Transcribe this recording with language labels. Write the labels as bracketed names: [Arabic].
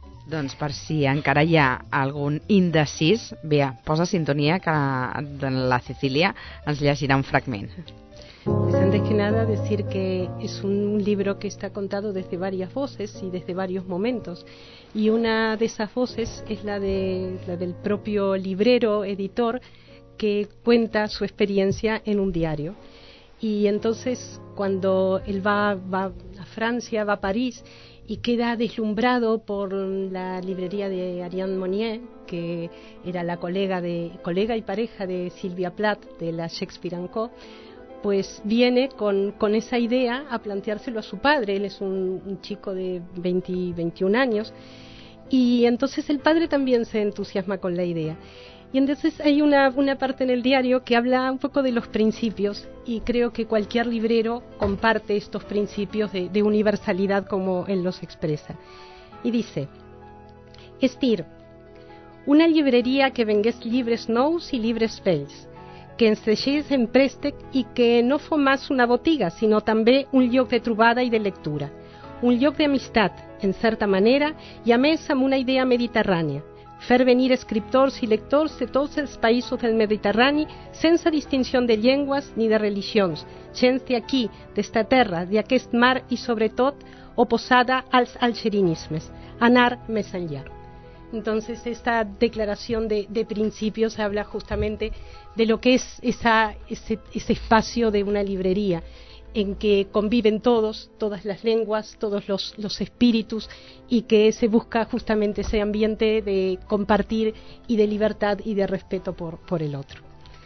[Catalan] Doncs per si encara hi ha algun indecís, Bea, posa sintonia que la Cecília ens llegirà un fragment. [Spanish] Pues antes que nada decir que es un libro que está contado desde varias voces y desde varios momentos, y una de esas voces es la del propio librero editor, que cuenta su experiencia en un diario. Y entonces cuando él va a Francia, va a París, y queda deslumbrado por la librería de Ariane Monnier, que era la colega y pareja de Sylvia Plath, de la Shakespeare & Co., pues viene con esa idea a planteárselo a su padre. Él es un chico de 20, 21 años, y entonces el padre también se entusiasma con la idea. Y entonces hay una parte en el diario que habla un poco de los principios, y creo que cualquier librero comparte estos principios de universalidad como él los expresa. Y dice, [Catalan] És dir, una llibreria que vengués llibres nous i llibres vells, que ens deixés en préstec i que no fos més una botiga, sinó també un lloc de trobada i de lectura. Un lloc d'amistat, en certa manera, i a més amb una idea mediterrània. Fer venir escriptors i lectors de tots els països del Mediterrani sense distinció de llengües ni de religions. Gens d'aquí, d'esta terra, d'aquest mar i sobretot oposada als algerinismes. Anar més enllà. [Spanish] Entonces, esta declaración de principios habla justamente de lo que es ese espacio de una librería en que conviven todos, todas las lenguas, todos los espíritus, y que se busca justamente ese ambiente de compartir y de libertad y de respeto por el otro.